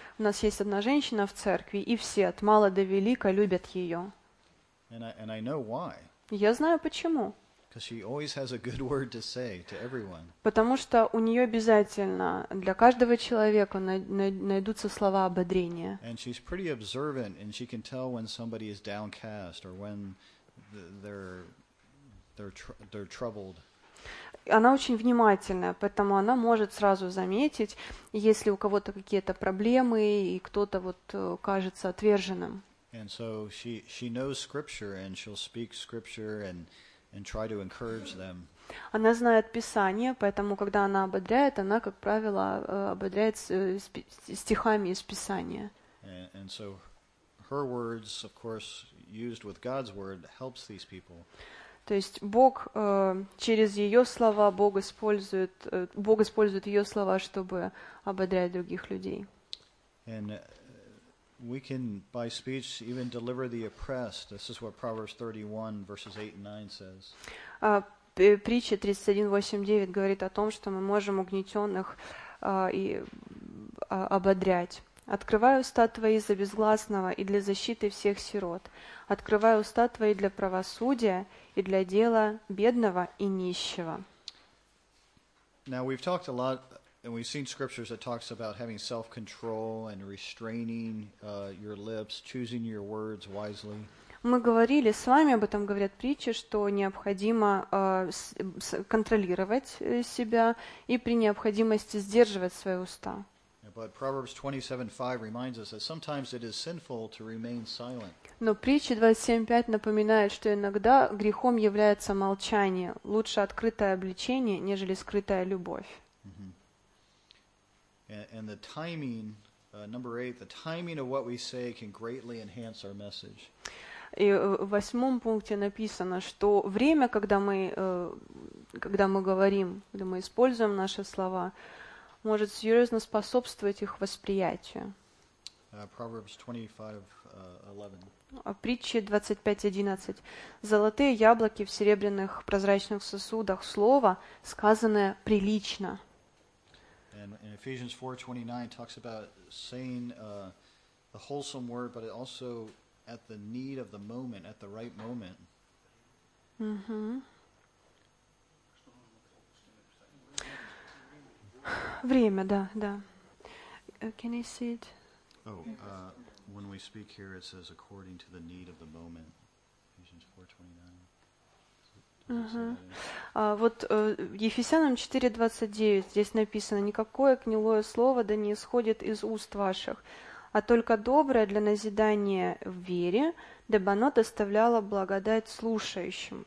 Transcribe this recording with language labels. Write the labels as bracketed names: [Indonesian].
[Russian] У нас есть одна женщина в церкви, и все от мала до велика любят ее. [English] And I know why. [Russian] Я знаю почему. [English] Because she always has a good word to say to everyone. [Russian] Потому что у нее обязательно для каждого человека найдутся слова ободрения. [English] And she's pretty observant, and she can tell when somebody is downcast or when they're troubled. [Russian] Она очень внимательная, поэтому она может сразу заметить, если у кого-то какие-то проблемы, и кто-то вот кажется отверженным. [English] And so she knows scripture, and she'll speak scripture and try to encourage them. [Russian] Она знает Писание, поэтому, когда она ободряет, она, как правило, ободряет стихами из Писания. [English] And so her words, of course, used with God's word, helps these people. [Russian] То есть Бог через ее слова, Бог использует ее слова, чтобы ободрять других людей. [English] And we can by speech even deliver the oppressed. This is what Proverbs 31, verses 8 and 9 says. [Russian] Притча 31:8-9 говорит о том, что мы можем угнетенных и ободрять. Открывай уста твои за безгласного и для защиты всех сирот. Открывай уста твои для правосудия и для дела бедного и нищего. [English] Now we've talked a lot and we've seen scriptures that talks about having self-control and restraining your lips, choosing your words wisely. [Russian] Мы говорили с вами, об этом говорят притчи, что необходимо контролировать себя и при необходимости сдерживать свои уста. [English] But Proverbs 27:5 reminds us that sometimes it is sinful to remain silent. [Russian] Но притча 27:5 напоминает, что иногда грехом является молчание. Лучше открытое обличение, нежели скрытая любовь. [English] And the timing, number 8, the timing of what we say can greatly enhance our message. [Russian] И в восьмом пункте написано, что время, когда мы говорим, когда мы используем наши слова, может серьезно способствовать их восприятию. [English] Proverbs 25:11. [Russian] Притча 25:11. Золотые яблоки в серебряных прозрачных сосудах. Слово, сказанное прилично. [English] And Ephesians 4:29 talks about saying the wholesome word, but also at the need of the moment, at the right moment. Mm-hmm. [Russian] Время, да. [English] Can I see it? Oh, when we speak here, it says according to the need of the moment. Ephesians 4:29. [Russian] Вот Ефесянам 4:29 здесь написано: никакое гнилое слово да не исходит из уст ваших, а только доброе для назидания в вере, дабы оно доставляло благодать слушающим.